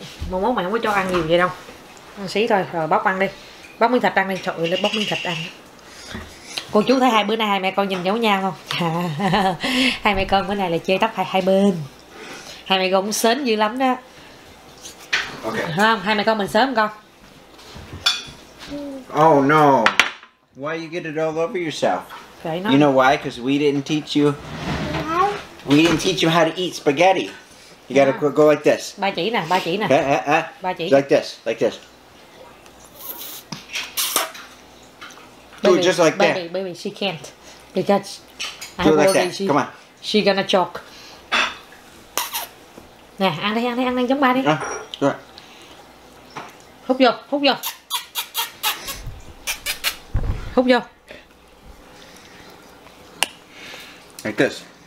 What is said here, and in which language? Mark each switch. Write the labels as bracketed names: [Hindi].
[Vietnamese] Mà món mày không có cho ăn nhiều vậy đâu. Ăn xí thôi, rồi bóc ăn đi. Bóc miếng thịt ăn đi, trời ơi, bóc miếng thịt ăn. Cô chú thấy hai bữa nay hai mẹ con nhìn giống nhau không? Hai mẹ con bữa nay là chơi tóc hai bên. Hai mẹ con cũng sến dữ lắm đó. [English] Okay. [Vietnamese] Không, hai mẹ con mình sớm con. [English] Oh no. Why you get it all over yourself? Okay, no. You know why? Because we didn't teach you. No. We didn't teach you how to eat spaghetti. You gotta go like this. [Vietnamese] Ba chỉ nè, ba chỉ nè. Ba chỉ. [English] Like this, like this. Baby, do it just like baby, that. Baby, she can't. Because do it like that, she, come on. She gonna choke. [Vietnamese] Nè, ăn đi, ăn đi, ăn đi, giống ba đi. Hút vô, hút vô. Hút vô. [English] Like this.